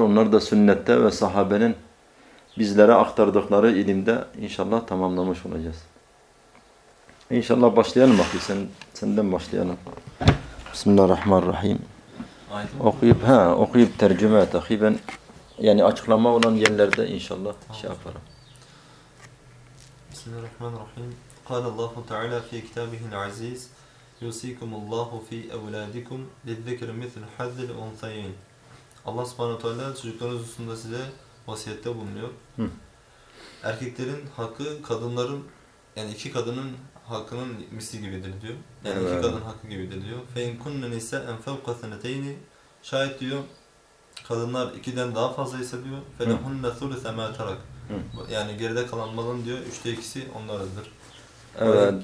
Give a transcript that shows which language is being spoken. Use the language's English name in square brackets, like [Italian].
[Turkish] Onlar da sünnette ve sahabenin bizlere aktardıkları ilimde inşallah tamamlamış olacağız. İnşallah başlayalım bakayım. Senden başlayalım. Bismillahirrahmanirrahim. Okuyup, okuyup tercüme et. Ben yani açıklama olan yerlerde inşallah şey yaparım. Bismillahirrahmanirrahim. [Arabic] قال الله تعالى في كتابه العزيز يوصيكم الله في أولادكم للذكر مثل حظ الأنثيين. [Turkish] Allah [Arabic] سبحانه وتعالى [Turkish] çocuklarınız hususunda size vasiyette bulunuyor. Erkeklerin hakkı kadınların yani iki kadının hakkının misli gibidir diyor. Yani iki kadın hakkı gibidir diyor. [Arabic] فَإِنْ كُنَّ نِسَا اَنْ فَوْقَ ثَنَتَيْنِ [Turkish] Şayet diyor kadınlar ikiden daha fazla ise diyor [Arabic] فَلَهُنَّ ثُلُثَ مَا تَرَكْ [Turkish] Yani geride kalan malın diyor üçte ikisi onlarıdır.